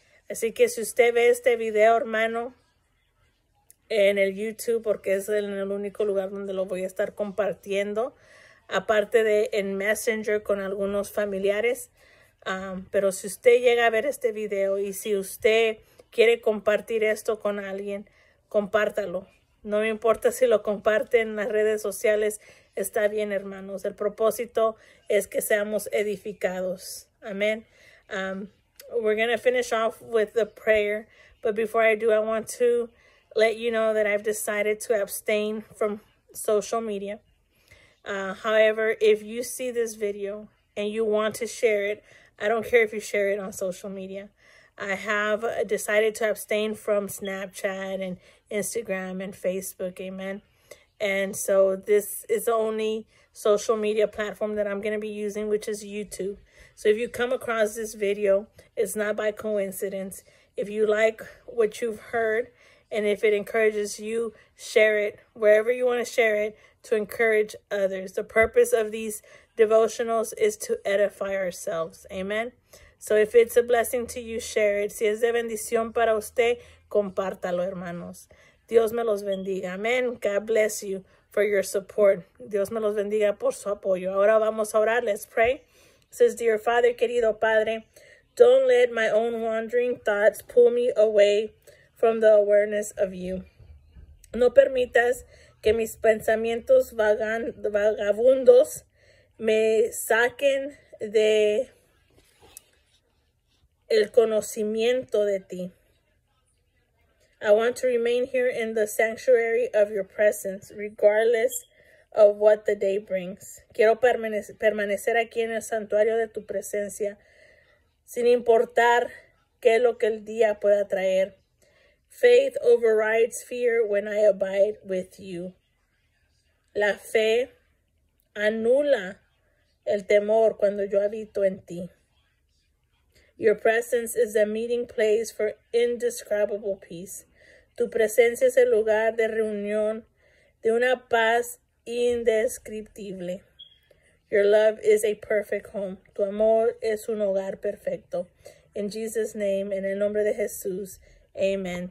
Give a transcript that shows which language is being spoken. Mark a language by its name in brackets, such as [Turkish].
[Spanish] Así que si usted ve este video, hermano, en el YouTube, porque es el único lugar donde lo voy a estar compartiendo, aparte de en Messenger con algunos familiares. Pero si usted llega a ver este video y si usted quiere compartir esto con alguien, compártalo. No me importa si lo comparte en las redes sociales, está bien, hermanos. El propósito es que seamos edificados. Amén. [English] We're going to finish off with the prayer, but before I do, I want to let you know that I've decided to abstain from social media. However, if you see this video and you want to share it, I don't care if you share it on social media. I have decided to abstain from Snapchat and Instagram and Facebook, amen. And so this is the only social media platform that I'm going to be using, which is YouTube. So if you come across this video, it's not by coincidence. If you like what you've heard, and if it encourages you, share it wherever you want to share it to encourage others. The purpose of these devotionals is to edify ourselves. Amen. So if it's a blessing to you, share it. [Spanish] Si es de bendición para usted, compártalo, hermanos. Dios me los bendiga. Amen. [English] God bless you for your support. [Spanish] Dios me los bendiga por su apoyo. Ahora vamos a orar. [English] Let's pray. It says, Dear Father, [Spanish] querido Padre, [English] don't let my own wandering thoughts pull me away from the awareness of you. [Spanish] No permitas que mis pensamientos vagabundos me saquen de el conocimiento de ti. [English] I want to remain here in the sanctuary of your presence, regardless of what the day brings. [Spanish] Quiero permanecer aquí en el santuario de tu presencia, sin importar qué es lo que el día pueda traer. [English] Faith overrides fear when I abide with you. [Spanish] La fe anula el temor cuando yo habito en ti. [English] Your presence is a meeting place for indescribable peace. [Spanish] Tu presencia es el lugar de reunión de una paz indescriptible. [English] Your love is a perfect home. [Spanish] Tu amor es un hogar perfecto. [English] In Jesus' name, [Spanish] en el nombre de Jesús, amen.